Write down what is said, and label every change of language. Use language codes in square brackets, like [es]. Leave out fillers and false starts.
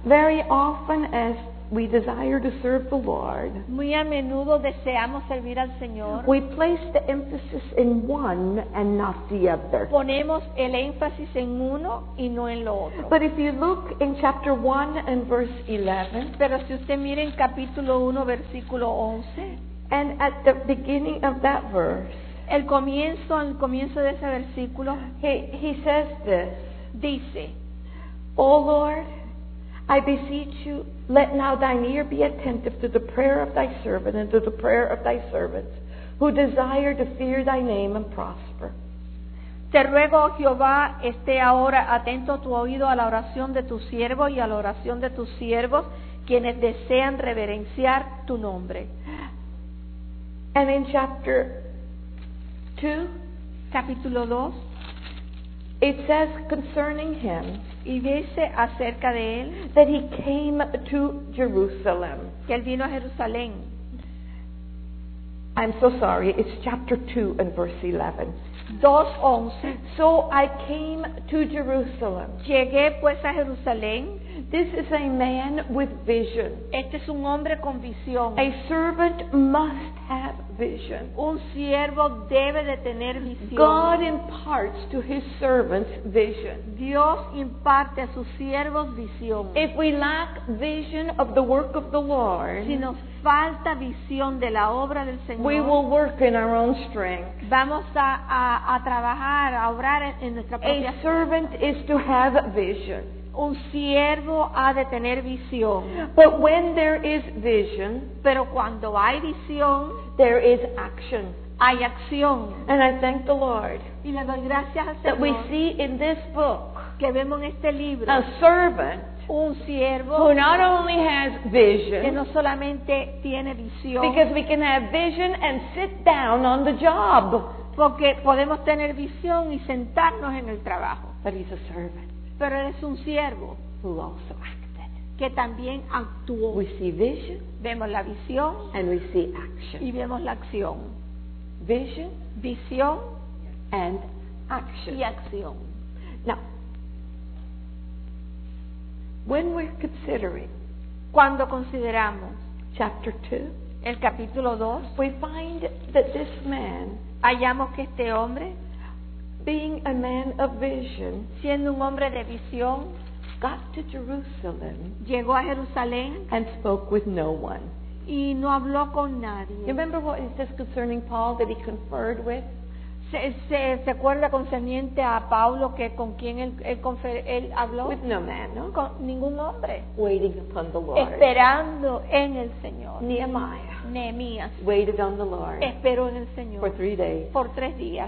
[en] Very often, as we desire to serve the Lord, [es] muy a menudo deseamos servir al Señor. [en] We place the emphasis in one and not the other. [es] Ponemos el énfasis en uno y no en lo otro. [en] But if you look in chapter 1 and verse 11, [es] pero si usted mira en capítulo 1 versículo 11, [en] and at the beginning of that verse, [es] el comienzo de ese versículo, [en] he says this. [es] Dice, [en] Oh Lord, I beseech you, let now thine ear be attentive to the prayer of thy servant and to the prayer of thy servants who desire to fear thy name and prosper. [es] Te ruego, Jehová, esté ahora atento tu oído a la oración de tu siervo y a la oración de tus siervos quienes desean reverenciar tu nombre. [en] And in chapter 2, [es] capítulo 2, [en] it says concerning him, [es] y dice acerca de él, [en] that he came to Jerusalem. [es] Que él vino a Jerusalén. [en] I'm so sorry, it's chapter 2 and verse 11. [es] 2:11. [en] So I came to Jerusalem. [es] Llegué pues a Jerusalén. [en] This is a man with vision. [es] Este es un hombre con visión. [en] A servant must have vision. [es] Un siervo debe de tener visión. [en] God imparts to his servants vision. [es] Dios imparte a sus siervos visión. [en] If we lack vision of the work of the Lord, [es] si nos falta visión de la obra del Señor, [en] we will work in our own strength. [es] Vamos a trabajar, a obrar en nuestra propia. [en] A servant is to have vision. [es] Un siervo ha de tener visión. [en] But when there is vision, [es] pero cuando hay visión, [en] there is action. [es] Hay acción. [en] And I thank the Lord. [es] Y le doy gracias al Señor. [en] That we see in this book, [es] que vemos en este libro, [en] a servant, [es] un siervo, [en] who not only has vision, [es] que no solamente tiene visión, [en] because we can have vision and sit down on the job, [es] porque podemos tener visión y sentarnos en el trabajo. [en] But he's a servant. [es] Pero eres un siervo [en] who also acted. [es] Que también actuó. [en] We see vision, [es] vemos la visión, [en] and we see action. [es] Y vemos la acción. [en] Vision, [es] visión, [en] and action. [es] Y acción. [en] Now, when we're considering, [es] cuando consideramos, [en] chapter 2, [es] el capítulo 2, [en] we find that this man, [es] hallamos que este hombre, [en] being a man of vision, [es] siendo un hombre de visión, [en] got to Jerusalem, [es] llegó a Jerusalén, [en] and spoke with no one. [es] Y no habló con nadie. [en] Remember what it says concerning Paul that he conferred with? [es] ¿Se acuerda concerniente a Pablo que con quién él habló? [en] With no man, no? [es] Con ningún hombre. [en] Waiting upon the Lord. [es] Esperando en el Señor. [en] Nehemías. Waited on the Lord. [es] Esperó en el Señor. [en] For 3 days. [es] Por tres días.